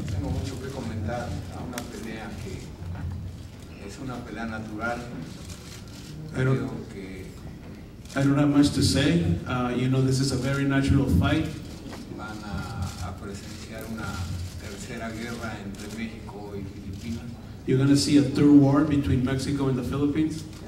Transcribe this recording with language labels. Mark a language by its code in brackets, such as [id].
[es] Tengo mucho que comentar a una pelea que es una pelea natural. [en] I don't have much to say. You know, this is a very natural fight. [es] Van a presenciar una tercera guerra entre México y Filipinas. [en] You're going to see a third war between Mexico and the Philippines.